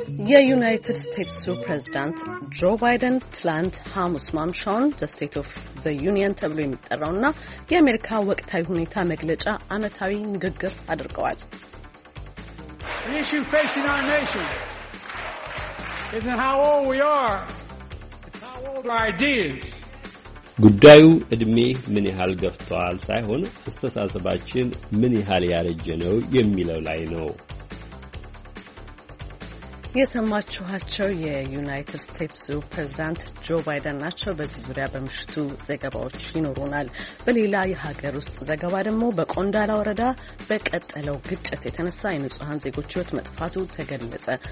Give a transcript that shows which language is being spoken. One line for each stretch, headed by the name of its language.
Amharic: የዩናይትድ ስቴትሱ ፕሬዝዳንት ጆ ባይደን ትላንት ሐሙስ ማምሻውን ዘ ስቴት ኦፍ ዘ ዩኒየን ተብሎ የሚጠራውና የአሜሪካ ወቅታዊ ሁኔታ መግለጫ ዓመታዊ ንግግር አድርገዋል።
English: The issue facing our nation isn't how old we are, it's how old our ideas.
Amharic: ጉዳዩ እድሜ ምን ያህል ገፍቷል ሳይሆን አስተሳሰባችን ምን ያህል ያረጀ ነው የሚለው ላይ ነው። የሰማችኋቸው የዩናይትድ ስቴትስ ፕሬዝዳንት ጆ ባይደን ናቸው። በዚህ ዙሪያ በምሽቱ ዘገባዎች ይኖሩናል። በሌላ የሀገር ውስጥ ዘገባ ደግሞ በቆንዳላ ወረዳ በቀጠለው ግጭት የተነሳ የንጹሐን ዜጎች ሕይወት መጥፋቱ ተገለጸ።